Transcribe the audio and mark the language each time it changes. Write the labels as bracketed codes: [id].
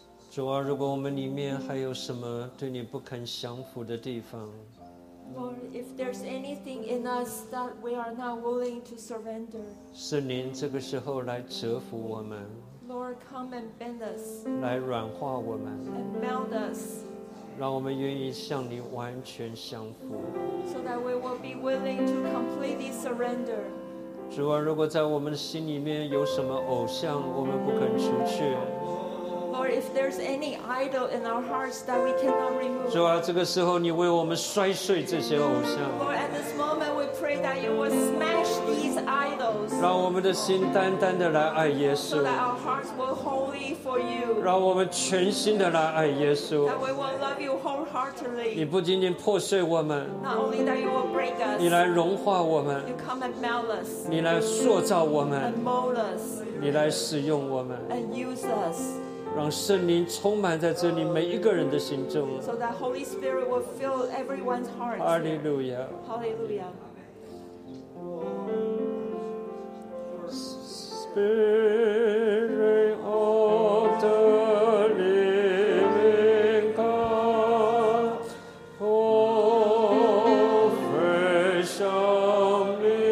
[zh] 主啊，如果我们里面还有什么对你不肯降服的地方， [en] Lord, if there's anything in us that we are not willing to surrender, [zh] 是您这个时候来折服我们， [en] Lord, come and bend us, [zh] 来软化我们， [en] and melt us, [zh] 让我们愿意向你完全降服， [en] so that we will be willing to completely surrender. [zh] 主啊，如果在我们心里面有什么偶像，我们不肯除去。 [en] Lord, if there's any idol in our hearts that we cannot remove, [zh] 主啊，这个时候你为我们摔碎这些偶像。 [en] Lord, at this moment we pray that you will smash these idols. [zh] 让我们的心单单的来爱耶稣。 [en] So that our hearts will wholly for you. [zh] 让我们全心的来爱耶稣。 [en] That we will love you wholeheartedly. [zh] 你不仅仅破碎我们。 [en] Not only that you will break us. [zh] 你来融化我们。 [en] You come and melt us. [zh] 你来塑造我们。 [en] And mold us. [zh] 你来使用我们。 [en] And use us. [zh] 让圣灵充满在这里每一个人的心中。 [en] So that Holy Spirit will fill everyone's heart. Hallelujah. Hallelujah. Spirit of the living God, fall fresh on me.